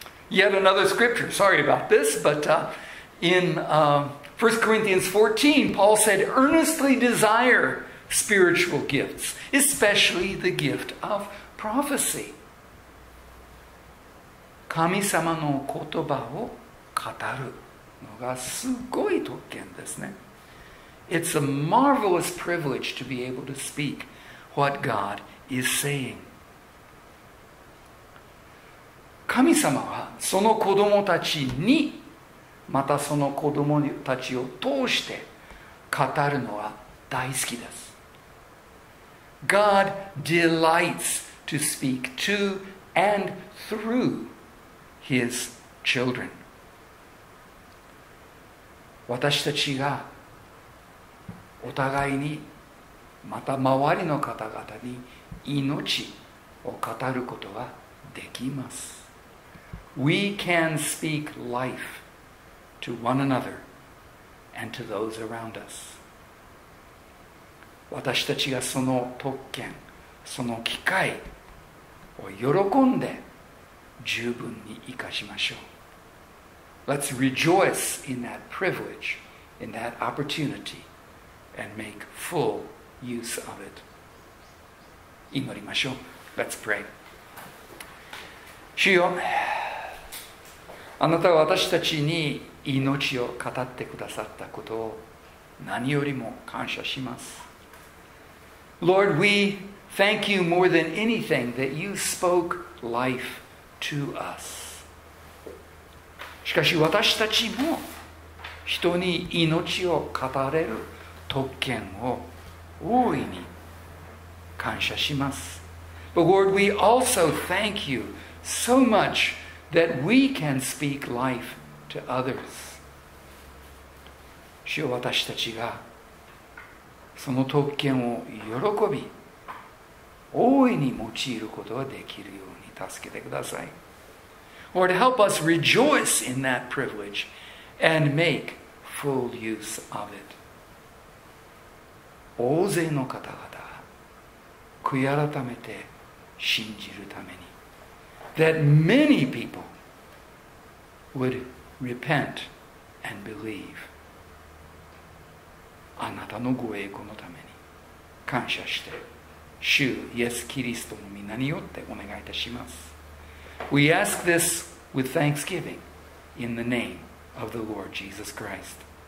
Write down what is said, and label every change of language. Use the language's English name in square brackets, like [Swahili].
[English] Yet another scripture, sorry about this, but in 1 Corinthians 14, Paul said, earnestly desire spiritual gifts, especially the gift of prophecy. [Japanese] 神様の言葉を語るのがすごい特権ですね。 [English] It's a marvelous privilege to be able to speak what God is saying. [Japanese] 神様はその子供たちに、またその子供たちを通して語るのは大好きです。 [English] God delights to speak to and through His children. [Japanese] 私たちがお互いに、また周りの方々に命を語ることはできます。 [English] We can speak life to one another and to those around us. [Japanese] 私たちがその特権、その機会を喜んで十分に生かしましょう。 [English] Let's rejoice in that privilege, in that opportunity. And make full use of it. [Japanese] 祈りましょう。 [English] Let's pray. [Japanese] 主よ、あなたは私たちに命を語ってくださったことを何よりも感謝します。 [English] Lord, we thank you more than anything that you spoke life to us. [Japanese] しかし私たちも人に命を語れる特権を大いに感謝します。 [English] But Lord, we also thank you so much that we can speak life to others. [Japanese] 主よ、私たちがその特権を喜び、大いに用いることができるように助けてください。 [English] Lord, help us rejoice in that privilege and make full use of it. [Japanese] 大勢の方々悔い改めて信じるために [English] That many people would repent and believe [Japanese] あなたのご栄光のために感謝して主イエス・キリストの御名によってお願いいたします [English] We ask this with thanksgiving in the name of the Lord Jesus Christ